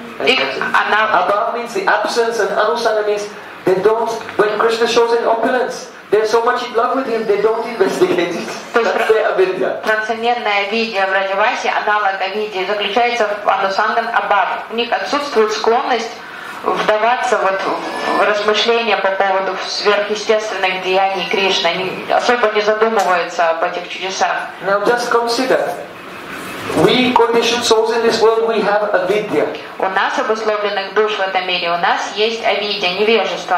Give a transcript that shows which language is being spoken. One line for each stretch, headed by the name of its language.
English: Abhav means the absence, and anusangan means they don't. When Krishna shows in opulence, they're so much in love with him, they don't investigate it. That's their avidya.
Russian: Трансцендентная авидья в Раджавасе, аналог авидьи, заключается в анусанган абхаве. У них отсутствует склонность вдаваться вот в размышления по поводу сверхъестественных деяний Кришны, они особо не задумываются об этих чудесах.
English: Now just consider. We conditioned souls in this world, we have avidya.
Russian: У нас обусловленных душ в этом мире, у нас есть авидья, невежество.